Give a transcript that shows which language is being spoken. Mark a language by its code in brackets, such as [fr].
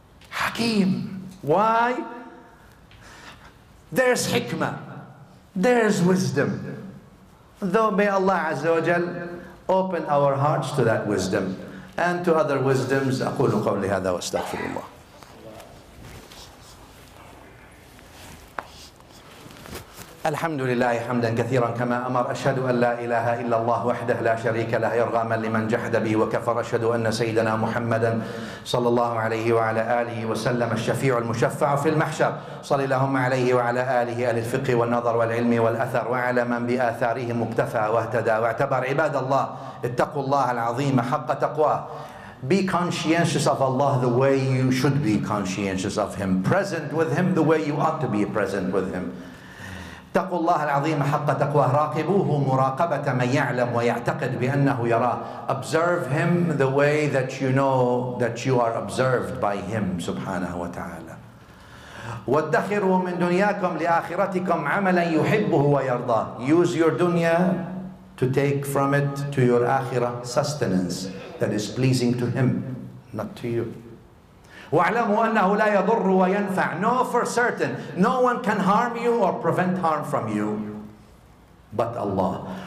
[en] Hakim. Why? There's hikmah. There's wisdom. Though may Allah Azza wa Jal open our hearts to that wisdom and to other wisdoms. [ar] أقول قولي هذا واستغفر الله. الحمد لله حمدا كثيرا كما أمر. أشهد أن لا إله إلا الله وحده لا شريك له إرغاما لمن جحد به وكفر. أشهد أن سيدنا محمدا صلى الله عليه وعلى آله وسلم الشفيع المشفع في المحشر. صلى اللهم عليه وعلى آله أهل الفقه والنظر والعلم والأثر, وعلى من بآثارهم اكتفى واهتدى واعتبر. عباد الله, اتقوا الله العظيم حق تقواه. [en] Be conscientious of Allah the way you should be conscientious of Him. Present with Him the way you ought to be present with Him. [ar] اتقوا الله العظيم حق تقواه. راقبوه مراقبة من يعلم ويعتقد بأنه يراه. [en] Observe him the way that you know that you are observed by him [ar] سبحانه وتعالى. وادخروا من دنياكم لآخرتكم عملا يحبه ويرضاه. [en] Use your dunya to take from it to your akhirah sustenance that is pleasing to him, not to you. [ar] وَاعْلَمُوا أَنَّهُ لَا يَضُرُّ وَيَنْفَعُ. [en] Know for certain, no one can harm you or prevent harm from you but Allah.